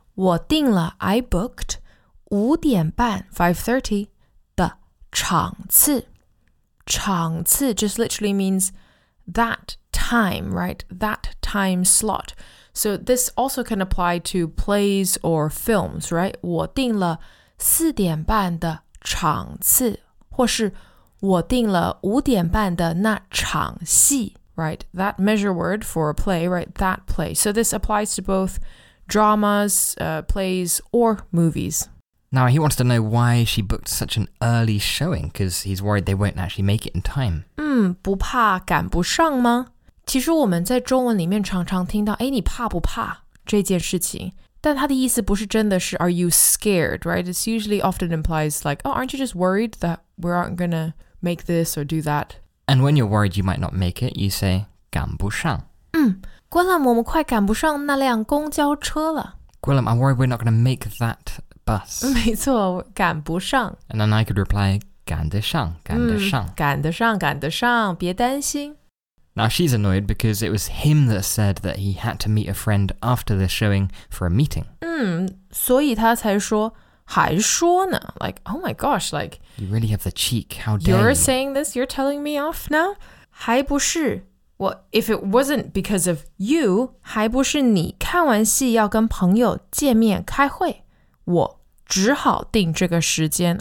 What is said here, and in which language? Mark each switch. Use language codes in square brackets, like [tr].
[zh] 我订了 [en] I booked [zh] 5:30 的场次。 [en] 场次 just literally means that time, right? That time slot. So this also can apply to plays or films, right? [zh] 我订了4:30的场次或是我订了5:30的那场戏 [en] Right, that measure word for a play, right, that play. So this applies to both dramas, plays, or movies. Now he wants to know why she booked such an early showing, because he's worried they won't actually make it in time. [zh] 不怕赶不上吗？其实我们在中文里面常常听到，哎，你怕不怕这件事情？但他的意思不是真的是 [en] are you scared, right? It's usually often implies like, oh, aren't you just worried that we aren't going to make this or do that? And when you're worried you might not make it, you say, 赶不上。 [zh] Guillaume, 我们快赶不上那辆公交车了。 [en] Guillaume, I'm worried we're not going to make that bus. [zh] 没错，赶不上。 [en] And then I could reply, [zh] 赶得上，赶得上。赶得上，赶得上，别担心。 [en] Now she's annoyed because it was him that said that he had to meet a friend after the showing for a meeting. [zh] 所以他才说还说呢 [en] Like, oh my gosh, like You really have the cheek, how dare You're saying this, you're telling me off now? [zh] 还不是 [en] Well, if it wasn't because of you [zh] 还不是你看完戏要跟朋友见面开会我只好定这个时间